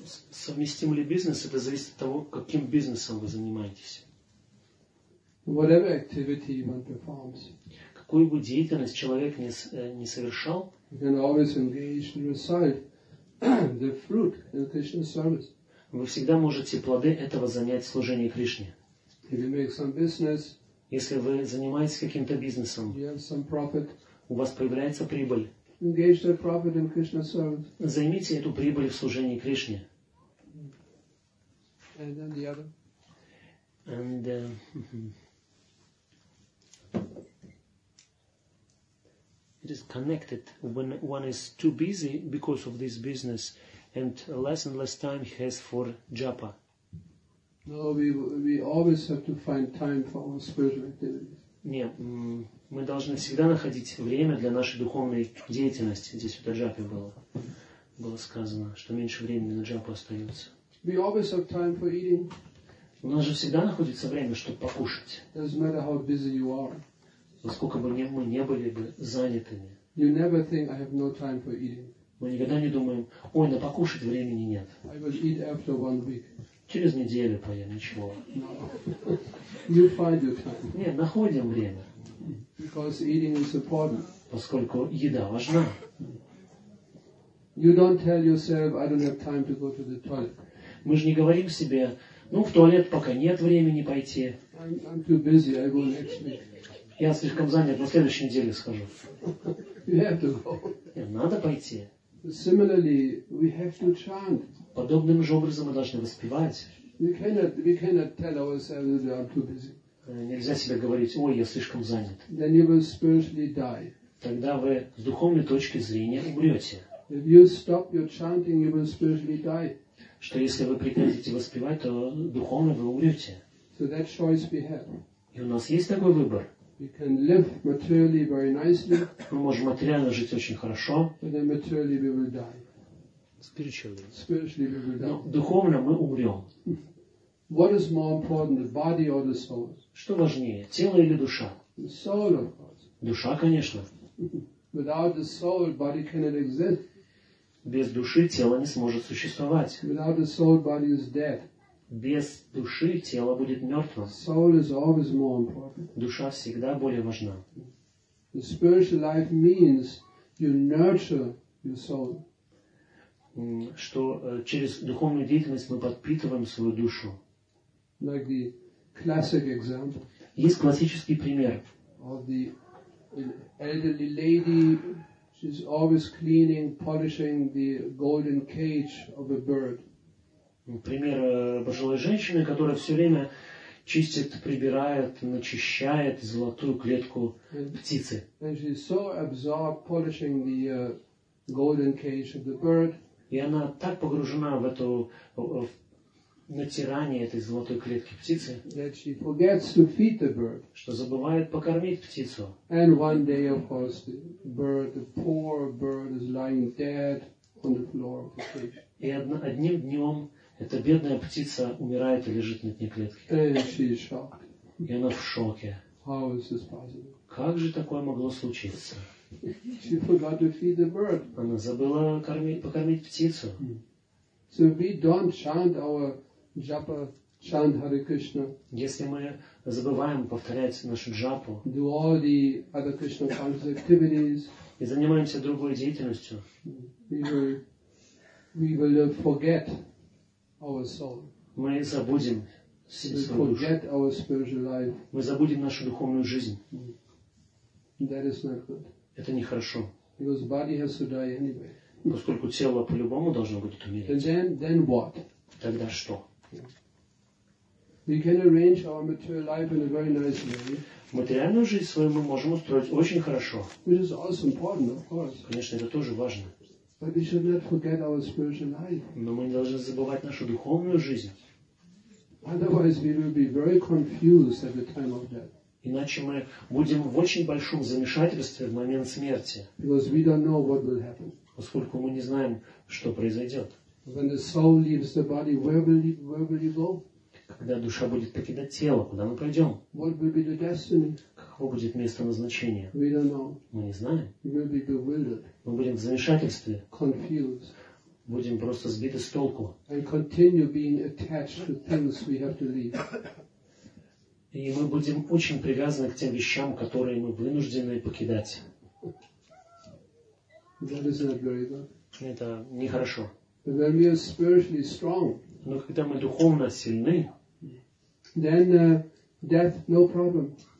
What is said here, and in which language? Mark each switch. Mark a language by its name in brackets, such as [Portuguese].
[Russian] Совместим ли бизнес, это зависит от того, каким бизнесом вы занимаетесь. [English] Whatever activity one performs, [Russian] какую бы деятельность человек не совершал, [English] you can always engage and recite the fruit in Krishna's service. [Russian] Вы всегда можете плоды этого занять в служении Кришне. [English] If you make some business, [Russian] если вы занимаетесь каким-то бизнесом, [English] you have some profit, [Russian] у вас появляется прибыль. [English] Engage the prophet in Krishna's service. Займите эту прибыль в служении Кришне. And then the other. And it is connected when one is too busy because of this business, and less time he has for japa. No, we always have to find time for our spiritual activities. [Russian] Нет, мы должны всегда находить время для нашей духовной деятельности. Здесь вот о джапе было сказано, что меньше времени на джапу остается. [English] We always have time for eating. [Russian] У нас же всегда находится время, чтобы покушать. [English] It doesn't matter how busy you are. [Russian] Насколько бы мы не были бы занятыми. [English] You never think I have no time for eating. [Russian] Мы никогда не думаем, ой, на покушать времени нет. [English] I will eat after one week. [Russian] Через неделю поем, ничего. [English] You find your time. [Russian] Нет, находим время. [English] Because eating is important. [Russian] Поскольку еда важна. [English] You don't tell yourself, I don't have time to go to the toilet. [Russian] Мы же не говорим себе, ну в туалет пока нет времени пойти. [English] I'm too busy, I go next week. [Russian] Я слишком занят, на следующей неделе схожу. [English] You have to go. [Russian] Нет, надо пойти. [English] Similarly, we have to chant. [Russian] Подобным же образом мы должны воспевать. [English] We cannot tell ourselves that we are too busy. [Russian] Нельзя себе говорить, ой, я слишком занят. [English] Then you will spiritually die. [Russian] Тогда вы с духовной точки зрения умрете. [English] If you stop your chanting, you will spiritually die. [Russian] Что если вы прекратите воспевать, то духовно вы умрете. [English] So that choice we have. [Russian] И у нас есть такой выбор. [English] We can live materially very nicely. [Russian] Мы можем материально жить очень хорошо. [English] But then materially we will die. Spiritually we will die. [Russian] Но духовно мы умрем. [English] What is more important, the body or the soul? [Russian] Что важнее, тело или душа? [English] The soul, of course. [Russian] Душа, конечно. [English] Without the soul, body cannot exist. [Russian] Без души тело не сможет существовать. [English] Without the soul, body is dead. [Russian] Без души тело будет мертвым. [English] Soul is always more important. [Russian] Душа всегда более важна. [English] The spiritual life means you nurture your soul. [Russian] Что через духовную деятельность мы подпитываем свою душу. [English] Like the classic example. [Russian] Есть классический пример. [English] Of the elderly lady, she's always cleaning, polishing the golden cage of a bird. [Russian] Пример пожилой женщины, которая все время чистит, прибирает, начищает золотую клетку птицы. [English] And she's so absorbed polishing the golden cage of the bird. [Russian] И она так погружена в эту натирание этой золотой клетки птицы, [English] that she forgets to feed the bird. [Russian] Что забывает покормить птицу. [English] And one day, of course, the bird, the poor bird, is lying dead on the floor of the cage. [Russian] И одним днем эта бедная птица умирает и лежит на дне клетки. [English] And she's shocked. [Russian] И она в шоке. [English] How is this possible? [Russian] Как же такое могло случиться? [English] She forgot to feed the bird. [Russian] Она забыла покормить птицу. [English] So we don't chant our japa, chant Hare Krishna. [Russian] Если мы забываем повторять нашу джапу, [English] do all the other Krishna conscious activities, [Russian] и занимаемся другой деятельностью, [English] we will forget our soul. [Russian] Мы забудем свою душу. [English] Forget our spiritual life. [Russian] Мы забудем нашу духовную жизнь. [English] That is not good. [Russian] Это нехорошо. [English] Because body has to die anyway. [Russian] Поскольку тело по-любому должно будет умереть. [English] Then what? [Russian] Тогда что? [English] We can arrange our material life in a very nice way. [Russian] Материальную жизнь свою мы можем устроить очень хорошо. [English] Which is also important, of course. [Russian] Конечно, это тоже важно. [English] But we should not forget our spiritual life. [Russian] Но мы не должны забывать нашу духовную жизнь. [English] Otherwise we will be very confused at the time of death. [Russian] Иначе мы будем в очень большом замешательстве в момент смерти. [English] Because we don't know what will happen. [Russian] Поскольку мы не знаем, что произойдет. [English] When the soul leaves the body, where will you go? [Russian] Когда душа будет покидать тело, куда мы пойдем? [English] What will be the destiny? [Russian] Каково будет место назначения? [English] We don't know. [Russian] Мы не знаем. [English] We will be bewildered. [Russian] Мы будем в замешательстве. [English] Confused. [Russian] Будем просто сбиты с толку. [English] And continue being attached to things we have to leave. [Russian] И мы будем очень привязаны к тем вещам, которые мы вынуждены покидать. [English] That is not very good. [Russian] Это нехорошо. [English] But when we are spiritually strong, [Russian] но когда мы духовно сильны, [English] then death no problem.